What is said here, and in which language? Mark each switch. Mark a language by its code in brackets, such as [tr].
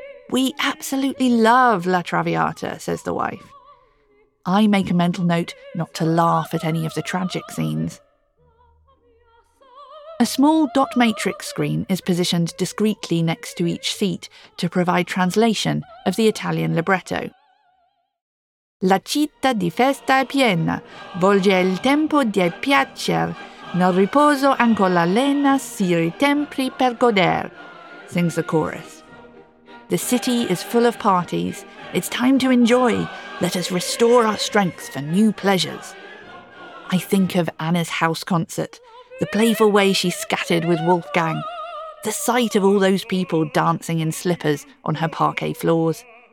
[en] "We absolutely love La Traviata," says the wife. I make a mental note not to laugh at any of the tragic scenes. A small dot matrix screen is positioned discreetly next to each seat to provide translation of the Italian libretto. [it] "La città di festa è piena, volge il tempo di piacere, nel riposo ancora la lena si ritempri per goder," [en] sings the chorus. "The city is full of parties. It's time to enjoy. Let us restore our strength for new pleasures." I think of Anna's house concert, the playful way she scattered with Wolfgang, the sight of all those people dancing in slippers on her parquet floors.